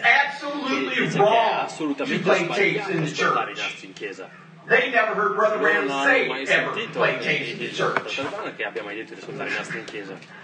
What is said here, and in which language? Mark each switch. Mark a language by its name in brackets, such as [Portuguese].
[Italian] è assolutamente sbagliato ascoltare i nastri in chiesa. [English] They never heard Brother Branham say ever play tapes in the church. [Italian] Non hanno mai sentito che abbia mai detto di ascoltare i nastri in chiesa.